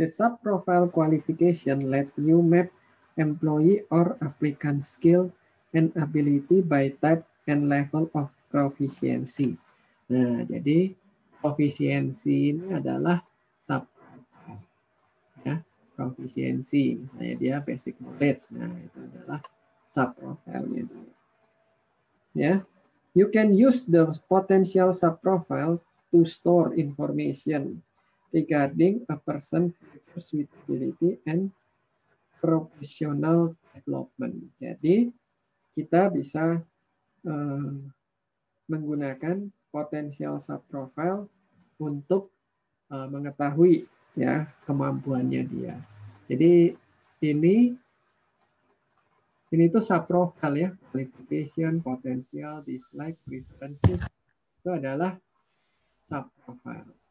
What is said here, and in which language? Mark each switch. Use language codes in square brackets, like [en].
[en] The sub-profile qualification let you map employee or applicant skill and ability by type and level of proficiency. [id] Nah, jadi koefisiensi ini adalah sub, ya, koefisiensi misalnya dia basic knowledge, nah itu adalah sub profile-nya dia. [en] Ya, you can use the potential sub profile to store information regarding a person suitability and professional development. [id] Jadi kita bisa menggunakan potensial sub profile untuk mengetahui ya kemampuannya dia. Jadi ini tuh sub profile ya, qualification, potential, dislike, preferences, itu adalah sub profile.